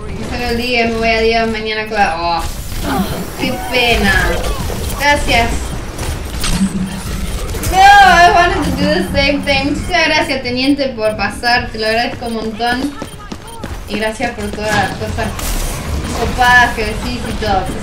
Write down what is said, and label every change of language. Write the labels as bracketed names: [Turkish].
[Spanish] Solo el día, me voy a día mañana claro. Oh, qué pena. Gracias. [English] No, I wanted to do the same thing. [Spanish] Muchas gracias, teniente, por pasar. Te lo agradezco un montón. Y gracias por todas las cosas copadas que decís y todo.